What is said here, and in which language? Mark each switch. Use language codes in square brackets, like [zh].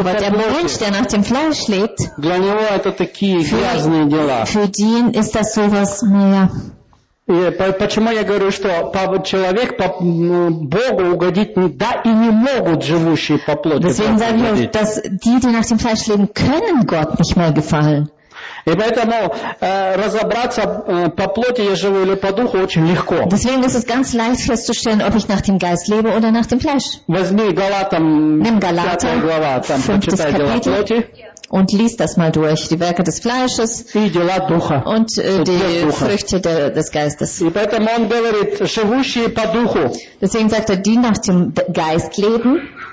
[de] Aber der Mensch, der nach dem Fleisch lebt, [ru] для него это такие грязные дела. [de] Für ihn ist das sowas mehr. [ru] И почему я говорю, что человек по Богу угодить да и не могут живущие по плоти. [de] Deswegen sage ich, dass die nach dem Fleisch leben, können Gott nicht mehr gefallen. [ru] И поэтому разобраться по плоти я живу или по духу очень легко. [de] Deswegen ist es ganz leicht festzustellen, ob ich nach dem Geist lebe oder nach dem Fleisch. [ru] Возьми Галатам, [de] nimm Galater, 5. [ru] глава, там, почитай дела плоти. [de] Und lies das mal durch, die Werke des Fleisches und die Früchte des Geistes. Deswegen sagt er, die nach dem Geist leben,